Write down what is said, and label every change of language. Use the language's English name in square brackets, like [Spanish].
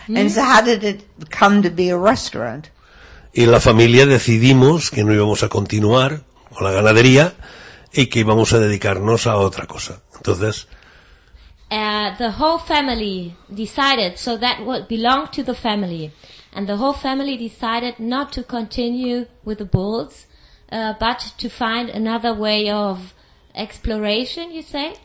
[English] And so how did it come to be a restaurant? [Spanish] Y la familia decidimos que no íbamos a continuar con la ganadería y que íbamos a dedicarnos a otra cosa. Entonces... [English] The whole family decided, so that would belong to the family, and the whole family decided not to continue with the bulls, but to find another way of exploration, you say?